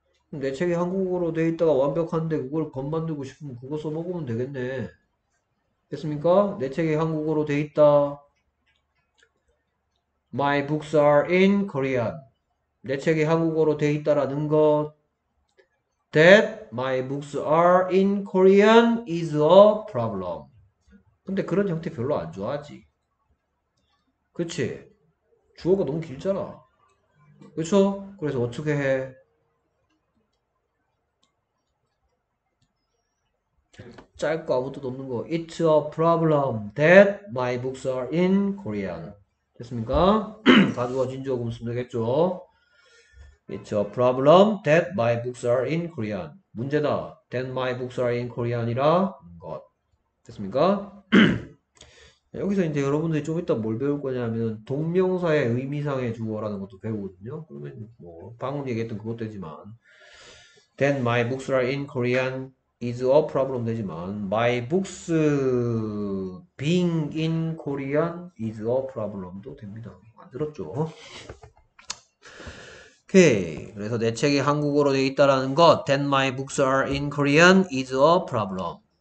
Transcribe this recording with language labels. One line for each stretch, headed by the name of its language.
Korean: 내 책이 한국어로 돼 있다가 완벽한데 그걸 겁만들고 싶으면 그거 써먹으면 되겠네. 됐습니까? 내 책이 한국어로 돼 있다.
English: My books are in Korean.
Korean: 내 책이 한국어로 돼 있다라는 것.
English: That my books are in Korean is a problem.
Korean: 근데 그런 형태 별로 안 좋아하지. 그치? 주어가 너무 길잖아. 그쵸? 그래서 어떻게 해? 짧고 아무것도 없는 거.
English: It's a problem that my books are in Korean.
Korean: 됐습니까? 가져와진 적으로 쓰면 되겠죠?
English: It's a problem that my books are in Korean.
Korean: 문제다.
English: That my books are in Korean
Korean: 이라는 것. 됐습니까? 여기서 이제 여러분들이 좀 이따 뭘 배울 거냐면, 동명사의 의미상의 주어라는 것도 배우거든요. 그러면 뭐, 방금 얘기했던 그것 되지만,
English: That my books are in Korean is a problem
Korean: 되지만,
English: My books being in Korean is a problem
Korean: 도 됩니다. 만들었죠. 오케이. 그래서 내 책이 한국어로 되어 있다라는 것.
English: That my books are in Korean is a problem.